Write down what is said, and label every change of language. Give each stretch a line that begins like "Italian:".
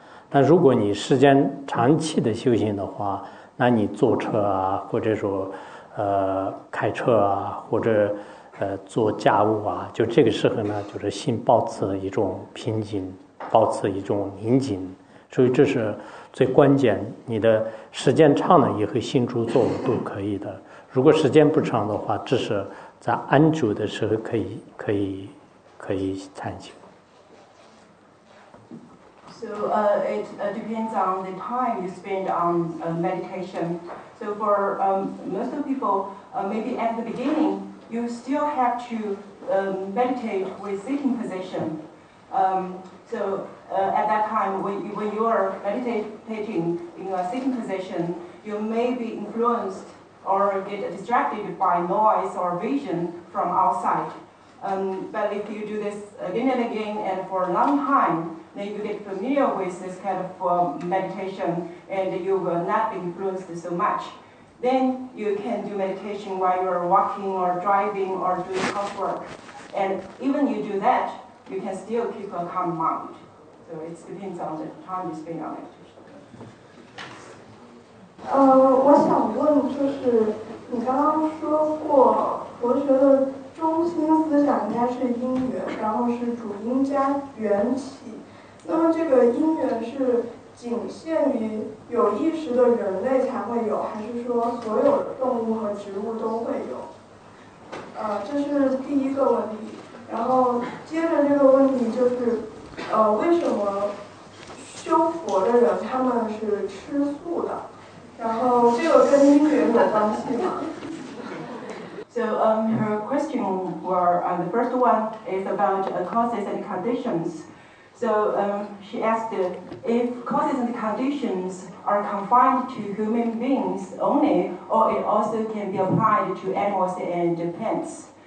Chinese: 但如果你时间长期的修行的话，那你坐车啊，或者说开车啊，或者做家务啊，就这个时候呢，就是心保持一种平静，保持一种宁静，所以这是最关键。你的时间长了以后，心住坐卧都可以的。如果时间不长的话，至少在安住的时候可以参修。
English: So it depends on the time you spend on meditation. So for most of people, maybe at the beginning, you still have to meditate with sitting position. At that time, when you are meditating in a sitting position, you may be influenced or get distracted by noise or vision from outside. But if you do this again and again and for a long time,then you get familiar with this kind of meditation and you will not be influenced so much. Then you can do meditation while you are walking or driving or doing housework. And even you do that, you can still keep a calm mind. So it depends on the time you spend on meditation.
Chinese: 我想问就是你刚刚说过佛学的中心思想应该是因缘，然后是主因加缘起，那么这个因缘是仅限于有意识的人类才会有，还是说所有的动物和植物都会有？这是第一个问题。然后接着这个问题就是，为什么修佛的人他们是吃素的？然后这个跟因缘有关系吗？
English: So her question were the first one is about causes and conditions. So she asked, if causes and conditions are confined to human beings only, or it also can be applied to animals and plants?